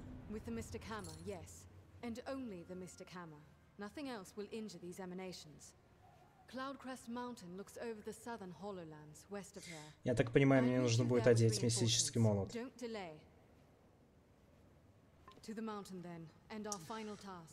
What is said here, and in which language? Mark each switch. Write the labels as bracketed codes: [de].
[en] With the Mystic Hammer, yes. And only the Mystic Hammer. Nothing else will injure these emanations. Cloudcrest Mountain looks over the southern Hollowlands, west of here. [ru] Я так понимаю, мне нужно будет одеть мистический молот. [en] Don't delay. To the mountain then, and our final task.